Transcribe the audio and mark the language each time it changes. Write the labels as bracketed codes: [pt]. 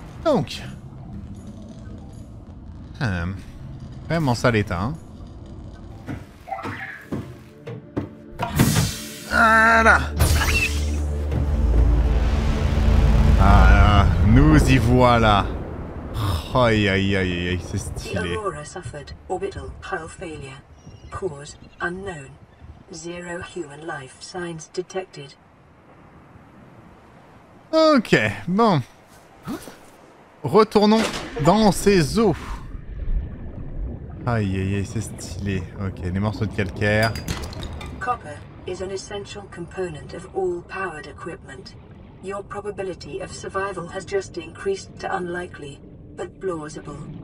[fr] Donc, vraiment sale état, hein. Voilà. Ah là, nous y voilà. Aïe aïe aïe aïe, c'est stylé. [en] The Aurora suffered orbital hull failure. Cause unknown. Zero human life signs detected. [fr] Ok, bon. Retournons dans ces eaux. Aïe aïe aïe, c'est stylé. Ok, des morceaux de calcaire. [en] Copper is an essential component of all powered equipment. Your probability of survival has just increased to unlikely, but plausible.